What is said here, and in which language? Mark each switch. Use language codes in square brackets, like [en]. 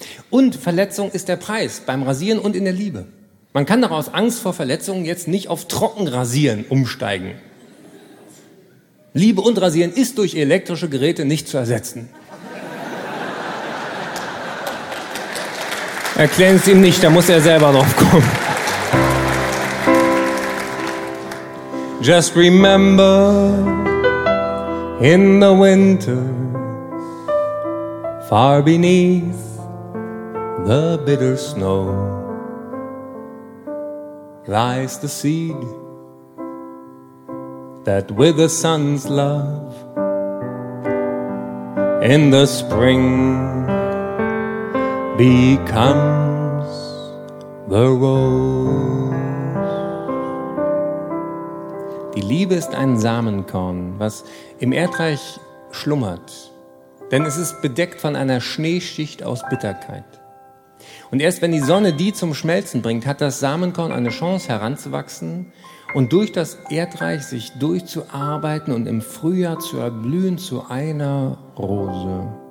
[de] Und Verletzung ist der Preis beim Rasieren und in der Liebe. Man kann doch aus Angst vor Verletzungen jetzt nicht auf Trockenrasieren umsteigen. Liebe und Rasieren ist durch elektrische Geräte nicht zu ersetzen. Erklären Sie ihm nicht, da muss er selber drauf kommen. [en] Just remember, in the winter, far beneath the bitter snow lies the seed that with the sun's love in the spring becomes the rose. [de] Die Liebe ist ein Samenkorn, was im Erdreich schlummert, denn es ist bedeckt von einer Schneeschicht aus Bitterkeit. Und erst wenn die Sonne die zum Schmelzen bringt, hat das Samenkorn eine Chance heranzuwachsen und durch das Erdreich sich durchzuarbeiten und im Frühjahr zu erblühen zu einer Rose.